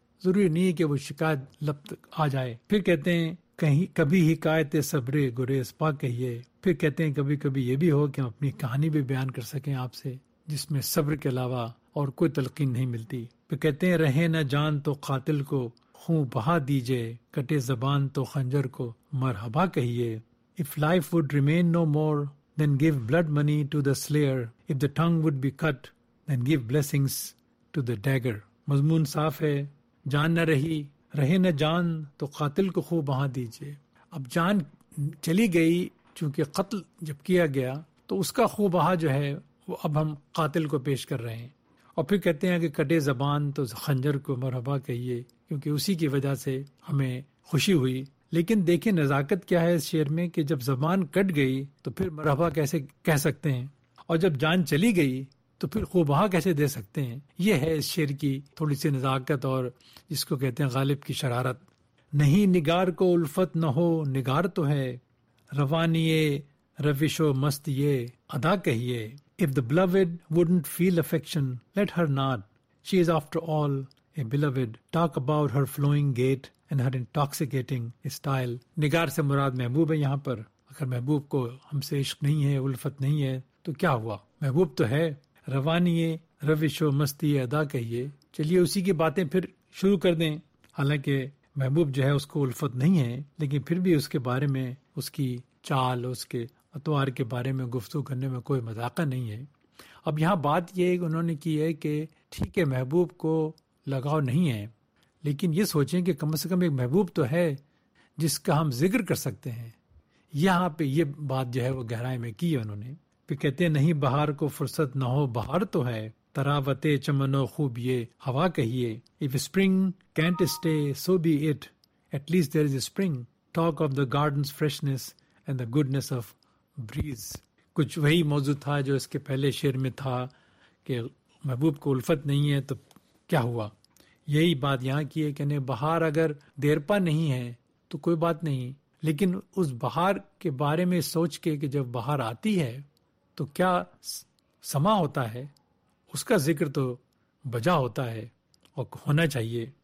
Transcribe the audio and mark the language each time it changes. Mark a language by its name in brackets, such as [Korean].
[Urdu] ضروری نہیں ہے کہ وہ شکایت لپت آ جائے. پھر کہتے ہیں کہیں کبھی حکایت صبر گریز پا کہیے. پھر کہتے ہیں کبھی کبھی یہ بھی ہو کہ ہم اپنی کہانی بھی بیان کر سکیں آپ سے، جس میں صبر کے علاوہ اور کوئی تلقین نہیں ملتی. پھر کہتے ہیں رہے نہ جان تو قاتل کو خون بہا دیجئے، کٹے زبان تو خنجر کو مرحبا کہیے. [English] If life would remain no more, then give blood money to the slayer. If the tongue would be cut, then give blessings to the dagger. [Urdu] مضمون صاف ہے. جان نہ رہی، رہے نہ جان تو قاتل کو خوب بہا دیجئے. اب جان چلی گئی چونکہ قتل جب کیا گیا، تو اس کا خوب بہا جو ہے وہ اب ہم قاتل کو پیش کر رہے ہیں. اور پھر کہتے ہیں کہ کٹے زبان تو خنجر کو مرحبا کہیے، کیونکہ اسی کی وجہ سے ہمیں خوشی ہوئی. لیکن دیکھیں نزاکت کیا ہے اس شعر میں، کہ جب زبان کٹ گئی تو پھر مرحبا کیسے کہہ سکتے ہیں، اور جب جان چلی گئی تو پھر خوبہا کیسے دے سکتے ہیں. یہ ہے اس شعر کی تھوڑی سی نزاکت، اور جس کو کہتے ہیں غالب کی شرارت. نہیں نگار کو الفت نہ ہو، نگار تو ہے روانیے روش و مست یہ ادا کہیے. [English] If the beloved wouldn't feel affection, let her not. She is after all a beloved. Talk about her flowing gait and her intoxicating style. [Urdu] نگار سے مراد محبوب ہے یہاں پر. اگر محبوب کو ہم سے عشق نہیں ہے، الفت نہیں ہے، تو کیا ہوا؟ محبوب تو ہے. روانیے روش و مستی ادا کہیے، چلیے اسی کی باتیں پھر شروع کر دیں. حالانکہ محبوب جو ہے اس کو الفت نہیں ہے، لیکن پھر بھی اس کے بارے میں، اس کی چال، اس کے اتوار کے بارے میں گفتگو کرنے میں کوئی مذاق نہیں ہے. اب یہاں بات یہ انہوں نے کی ہے کہ ٹھیک ہے محبوب کو لگاؤ نہیں ہے، لیکن یہ سوچیں کہ کم از کم ایک محبوب تو ہے جس کا ہم ذکر کر سکتے ہیں. یہاں پہ یہ بات جو ہے وہ گہرائی میں کی ہے انہوں نے. پھر کہتے ہیں نہیں بہار کو فرصت نہ ہو، بہار تو ہے تراوت چمن و خوب یہ ہوا کہیے. [English] If spring can't stay, so be it. At least there is a spring. Talk of the garden's freshness and the goodness of breeze. [Urdu] کچھ وہی موضوع تھا جو اس کے پہلے شعر میں تھا کہ محبوب کو الفت نہیں ہے تو کیا ہوا. یہی بات یہاں کی ہے کہ بہار اگر دیرپا نہیں ہے تو کوئی بات نہیں، لیکن اس بہار کے بارے میں سوچ کے کہ جب بہار آتی ہے تو کیا سما ہوتا ہے، اس کا ذکر تو بجا ہوتا ہے اور ہونا چاہیے.